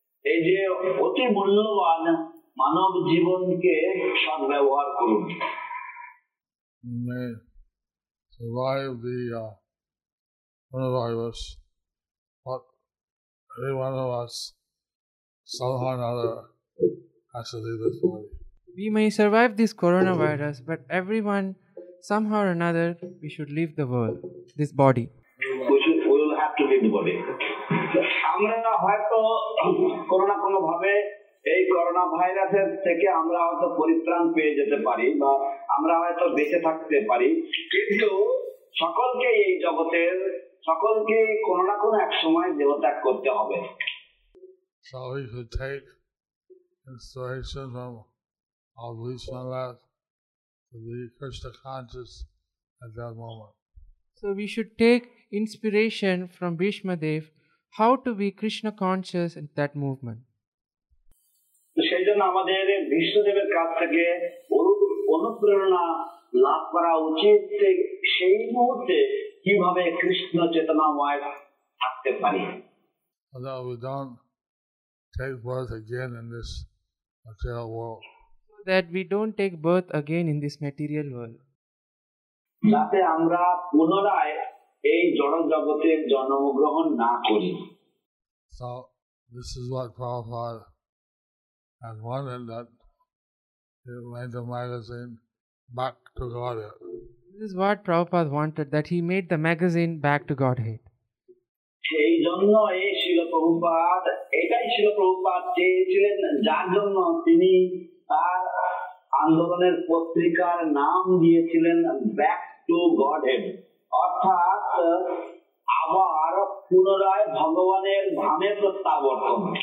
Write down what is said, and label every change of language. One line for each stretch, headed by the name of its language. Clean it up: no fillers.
Bangla: এই যে অতি মূল্যবান মানব জীবনকে সদ্ব্যবহার করুন।
English: May survive the coronavirus, but every one of us somehow or another has to leave this body. We may survive this coronavirus, but everyone somehow or another we should leave the world, this body. We will have to leave the body.
Bangla: আমরা হয়তো কোনো ভাবে এই corona ভাইরাসের থেকে আমরা হয়তো পরিত্রাণ পেয়ে যেতে পারি বা আমরা হয়তো বেঁচে থাকতে পারি, কিন্তু সকলকে এই জগতের সকলকে কোনো না কোনো এক সময় দেহত্যাগ করতে হবে।
English: So we should take inspiration from all these fellows to be Krishna conscious at that moment. So we should take inspiration from Bhishma Dev how to be Krishna conscious in that movement.
Bangla: সেজন্য আমাদের বিষ্ণুদেবের কাছ থেকে অনুপ্রেরণা লাভ করা উচিত, সেই মুহূর্তে কিভাবে কৃষ্ণ চেতনাময় থাকতে পারি।
English: Although we don't take birth again in this material world. So that we don't take birth again in this material world.
Bangla: যাতে আমরা পুনরায় এই জড়জগতে জন্মগ্রহণ না করি।
English: So this is what Prabhupada has wanted, that he made the magazine back to Godhead. This is what Prabhupada wanted, that he made the magazine back to Godhead.
Bangla: এই জন্য এই শিল প্রভুপাদ এটাই শিল প্রভুপাদ চেয়েছিলেন, যার জন্য তিনি তার আন্দোলনের পত্রিকার নাম দিয়েছিলেন ব্যাক টু গডহেড, অর্থাৎ আবার পুনরায় ভগবানের ধামে প্রত্যাবর্তন।